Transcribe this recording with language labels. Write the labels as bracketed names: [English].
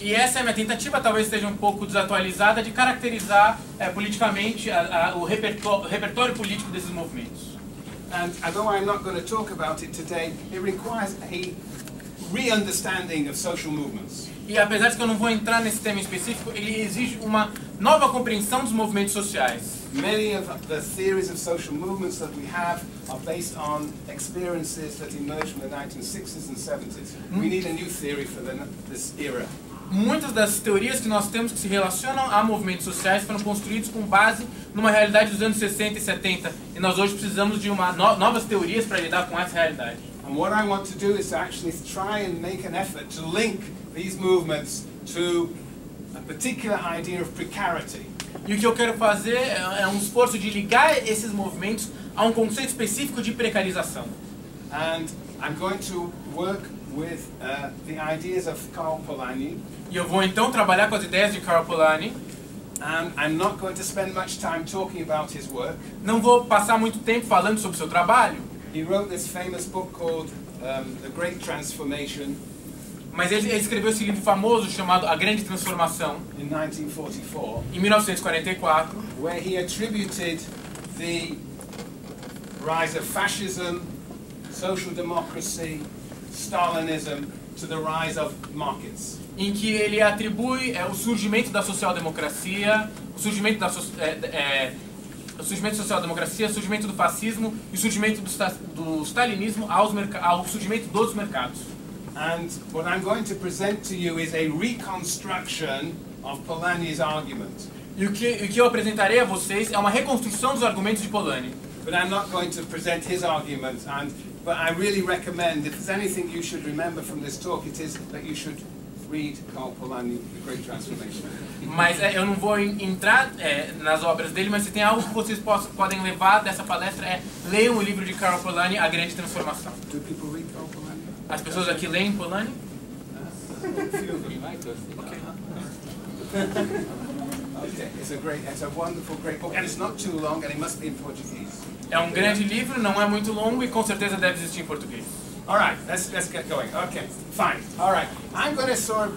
[Portuguese] E essa é a minha tentativa, talvez esteja um pouco desatualizada, de caracterizar politicamente o repertório político desses movimentos. [English] And although I'm not going to talk about it today, it requires a re-understanding of social movements. [Portuguese] E apesar de que eu não vou entrar nesse tema específico, ele exige uma nova compreensão dos movimentos sociais. [English] Many of the theories of social movements that we have are based on experiences that emerged from the 1960s and 70s. We need a new theory for this era. [Portuguese] Muitas das teorias que nós temos que se relacionam a movimentos sociais foram construídas com base numa realidade dos anos 60 e 70, e nós hoje precisamos de novas teorias para lidar com essa realidade. [English] And what I want to do is to actually try and make an effort to link these movements to a particular idea of precarity. [Portuguese] E o que eu quero fazer é um esforço de ligar esses movimentos a um conceito específico de precarização. [English] And I'm going to work with the ideas of Karl Polanyi. [Portuguese] E eu vou então trabalhar com as ideias de Karl Polanyi. [English] I'm not going to spend much time talking about his work. [Portuguese] Não vou passar muito tempo falando sobre seu trabalho. [English] He wrote this famous book called The Great Transformation. [Portuguese] Mas ele escreveu esse livro famoso chamado A Grande Transformação. [English] In 1944. [Portuguese] Em 1944. [English] Where he attributed the rise of fascism, social democracy, Stalinism to the rise of markets. [Portuguese] Em que ele atribui o surgimento da social-democracia, o surgimento da social-democracia, o surgimento do fascismo e o surgimento do stalinismo ao surgimento dos mercados. [English] And what I'm going to present to you is a reconstruction of Polanyi's argument. [Portuguese] E o que eu apresentarei a vocês é uma reconstrução dos argumentos de Polanyi. [English] But I'm not going to present his argument, but I really recommend, if there's anything you should remember from this talk, it is that you should read Karl Polanyi, The Great Transformation. [Portuguese] Mas eu não vou entrar nas obras dele, mas se tem algo que vocês podem levar dessa palestra é leiam o livro de Karl Polanyi, A Grande Transformação. [English] Do people read Karl Polanyi? [Portuguese] As pessoas aqui leem Polanyi? [English] Okay. It's a wonderful great book, and it's not too long, and it must be in Portuguese. [Portuguese] É um grande livro, não é muito longo e com certeza deve existir em português. [English] All right, let's get going. Okay, fine. All right, I'm going to sort.